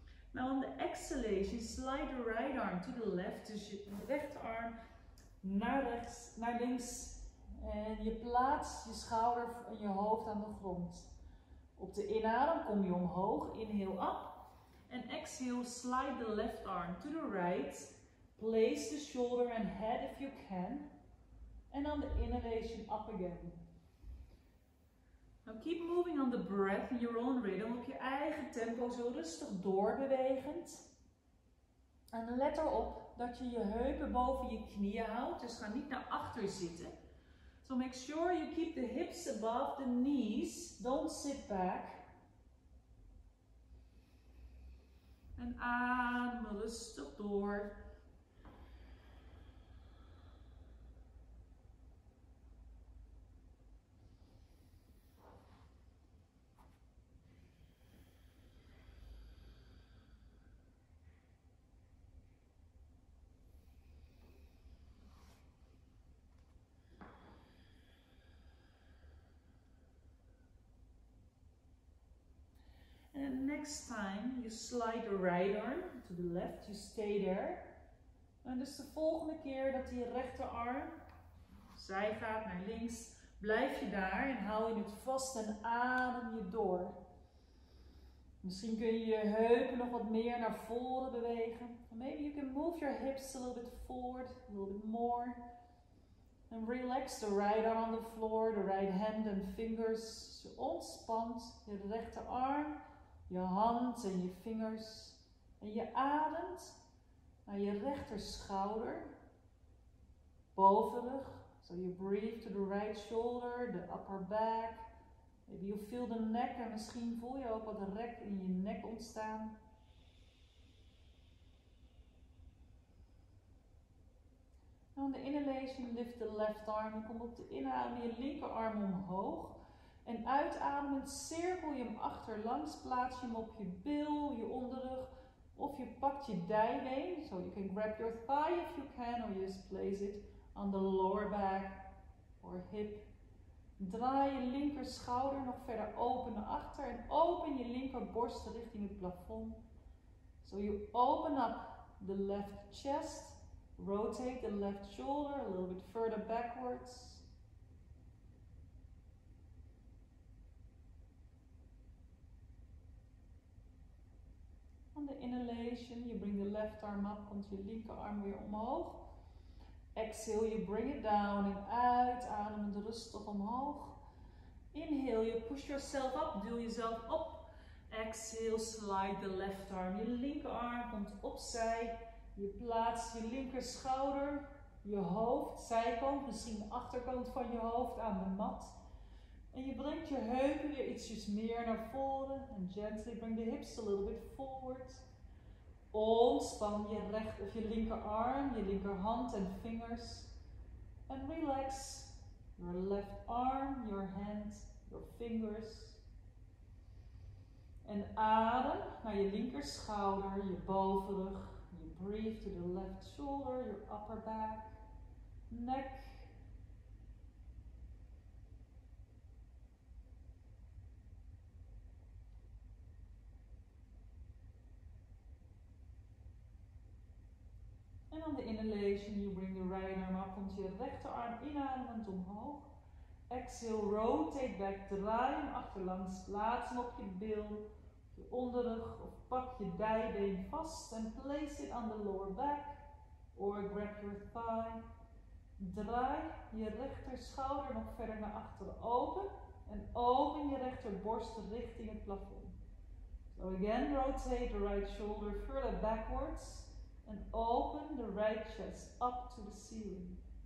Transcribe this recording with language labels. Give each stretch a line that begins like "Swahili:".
English: Now on the exhalation, slide the right arm to the left.
Dutch: Dus je rechterarm naar rechts, naar links. En je plaatst je schouder en je hoofd aan de grond. Op de inadem kom je omhoog,
English: inhale up. En exhale, slide the left arm to the right. Place the shoulder and head if you can. And on the inhalation, up again. Now keep moving on the breath in your own rhythm.
Dutch: Op je eigen tempo, zo rustig doorbewegend. En let erop dat je je heupen boven je knieën houdt. Dus ga niet naar achter zitten.
English: So make sure you keep the hips above the knees. Don't sit back.
Dutch: En adem rustig door.
English: And next time, you slide the right arm to the left, you stay there.
Dutch: En dus de volgende keer dat die rechterarm, zij gaat naar links, blijf je daar en hou je het vast en adem je door. Misschien kun je je heupen nog wat meer naar voren bewegen.
English: Maybe you can move your hips a little bit forward, a little bit more. And relax the right arm on the floor, the right hand and fingers.
Dutch: Je ontspant je rechterarm. Je hand en je vingers. En je ademt naar je rechterschouder. Bovenrug.
English: So you breathe to the right shoulder, the upper back. Maybe you feel the neck
Dutch: en misschien voel je ook wat rek in je nek ontstaan.
English: On the inhalation, lift the left arm.
Dutch: Je komt op de inadem je linkerarm omhoog. En uitademend cirkel je hem achterlangs, plaats je hem op je bil, je onderrug. Of je pakt je dijbeen,
English: so you can grab your thigh if you can, or you just place it on the lower back or hip.
Dutch: Draai je linker schouder nog verder open naar achter en open je linker borst richting het plafond.
English: So you open up the left chest, rotate the left shoulder a little bit further backwards. On the inhalation, you bring the left arm up,
Dutch: komt je linkerarm weer omhoog.
English: Exhale, you bring it down and
Dutch: uit, ademend rustig omhoog.
English: Inhale, you push yourself up,
Dutch: duw jezelf op.
English: Exhale, slide the left arm.
Dutch: Je linkerarm komt opzij. Je plaatst je linker schouder, je hoofd, zijkant, misschien de achterkant van je hoofd aan de mat. En je brengt je heupen weer ietsjes meer naar voren. En
English: gently bring the hips a little bit forward.
Dutch: Ontspan je recht of je linkerarm, je linkerhand en vingers.
English: En relax your left arm, your hand, your fingers.
Dutch: En adem naar je linkerschouder, je bovenrug.
English: You breathe to the left shoulder, your upper back, neck. En on the inhalation, you bring the right arm up,
Dutch: komt je rechterarm inademend omhoog.
English: Exhale, rotate back,
Dutch: draai hem achterlangs, plaats hem op je bil, je onderrug of pak je dijbeen vast en
English: place it on the lower back or grab your thigh.
Dutch: Draai je rechterschouder nog verder naar achteren open en open je rechterborst richting het plafond.
English: So again, rotate the right shoulder further backwards. And open the right chest up to the ceiling.